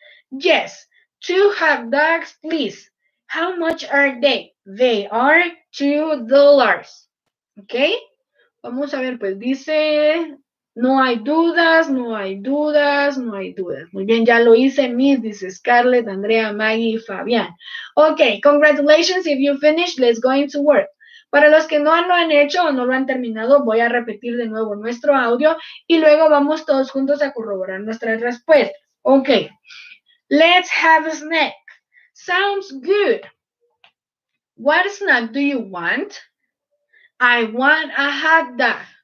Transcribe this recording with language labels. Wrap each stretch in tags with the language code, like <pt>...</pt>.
<en>Yes, two hot dogs, please. How much are they? They are $2. Okay?</en> <es>Vamos a ver, pues dice, no hay dudas, no hay dudas, no hay dudas. Muy bien, ya lo hice, Miss, dice Scarlett, Andrea, Maggie, Fabián.</es> <en>Okay, congratulations, if you finish, let's go into work.</en> <es>Para los que no lo han hecho o no lo han terminado, voy a repetir de nuevo nuestro audio y luego vamos todos juntos a corroborar nuestras respuestas.</es> <en>Ok. Let's have a snack. Sounds good. What snack do you want? I want a hot dog.</en>